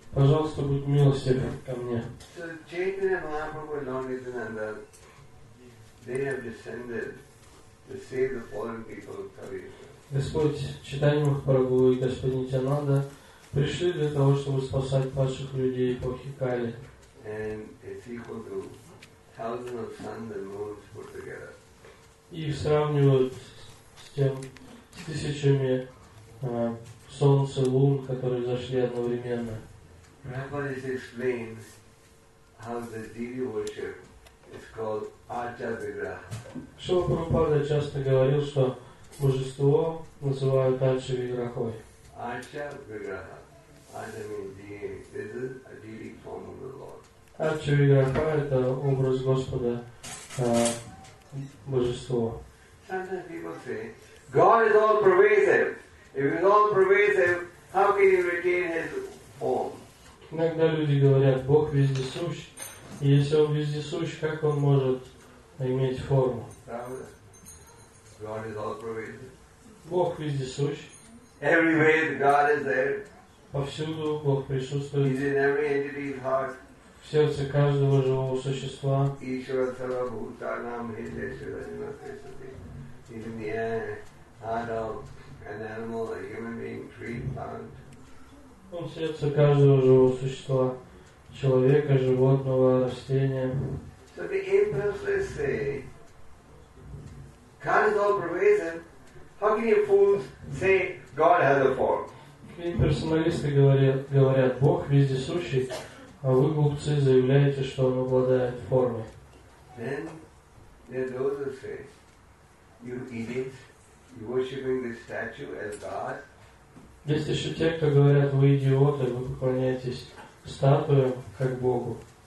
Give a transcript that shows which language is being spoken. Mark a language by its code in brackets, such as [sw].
[ru] Пожалуйста, будь милостив ко мне. [en] So Chaitanya Mahaprabhu and Lord Nityananda, they have descended to save the fallen people of Kali Yuga. [ru] Господь Чайтанья Махапрабху и Господь Нитьянанда пришли для того, чтобы спасать ваших людей эпохи Кали. [en] And it's equal to thousands of suns and moons put together. [ru] И сравнивают с тем, с тысячами солнца, лун, которые зашли одновременно. [en] Prabhupada explains how the deity worship is called Acha-Vigraha. [ru] Шрила Прабхупада часто говорил, что божество называют Ача-Виграхой. [en] Acha-Vigraha. Acha means deity. This is a deity form of the Lord. [ru] Ача-Виграха – это образ Господа. Божество. [en] Sometimes people say, God is all pervasive. If he's all pervasive, how can he retain his form? [ru] Иногда люди говорят, Бог вездесущ. И если он вездесущ, как он может иметь форму? Правда? [en] God is all pervasive. [ru] Бог вездесущ. [en] Everywhere God is there. [ru] Повсюду Бог присутствует. [en] He's in every entity's heart. [ru] В сердце каждого живого существа. [sa] Ишвара Сарвабхута нам хиде Шиванима Кришнати. [en] He's in the air, adult, an animal, a human being, tree, plant. [ru] Он в сердце каждого живого существа, человека, животного, растения. [en] So the impersonalists say, God is all pervasive. How can you fools say God has a form? [ru] Имперсоналисты говорят, Бог вездесущий. А вы, глупцы, заявляете, что он обладает формой. Есть еще те, кто говорят, вы идиоты, вы поклоняетесь статуе как Богу.